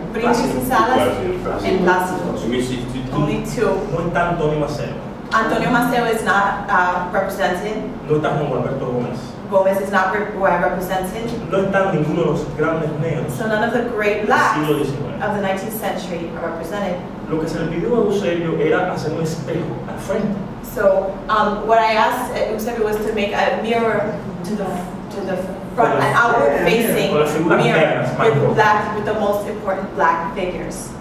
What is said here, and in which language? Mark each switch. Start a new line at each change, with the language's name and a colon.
English: Brindis de Salas and Plácido. Only two.
Spanish: No está Antonio Maceo.
English: Antonio Maceo is not represented.
Spanish: No está Juan Alberto Gómez.
English: Gómez is not represented.
Spanish: No están ninguno de los grandes negros.
English: So none of the great blacks of the 19th century are represented.
Spanish: Lo que se le pidió a Eusebio era hacer un espejo al frente.
English: So what I asked Eusebio was to make a mirror to the front, an outward facing mirror with the most important black figures.